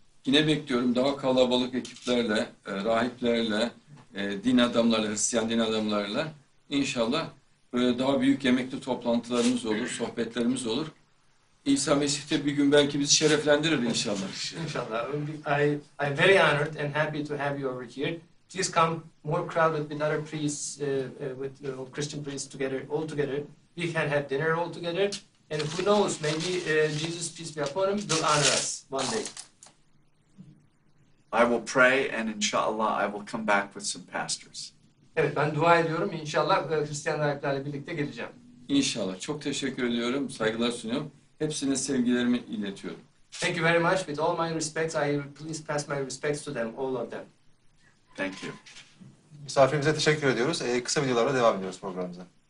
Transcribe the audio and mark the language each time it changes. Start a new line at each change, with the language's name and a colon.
Turkish: Yine bekliyorum daha kalabalık ekiplerle, rahiplerle, din adamlarıyla, Hristiyan din adamlarıyla. İnşallah böyle daha büyük yemekli toplantılarımız olur, sohbetlerimiz olur. İsa Mesih de bir gün belki bizi şereflendirir inşallah. İnşallah.
English: I'm very honored and happy to have you over here. Please come more crowded with other priests, with Christian priests together, all together. We can have dinner all together. And who knows, maybe Jesus, peace be upon him, will honor us one day. I will pray and inshallah I will come back with some pastors.
Turkish: Evet, ben dua ediyorum. İnşallah Hristiyan ayaklarıyla birlikte geleceğim. İnşallah. Çok teşekkür ediyorum. Saygılar sunuyorum. Hepsine sevgilerimi iletiyorum.
English: Thank you very much. With all my respects, I please pass my respects to them, all of them. Thank you.
Turkish: Misafirimize teşekkür ediyoruz. Kısa videolarla devam ediyoruz programımıza.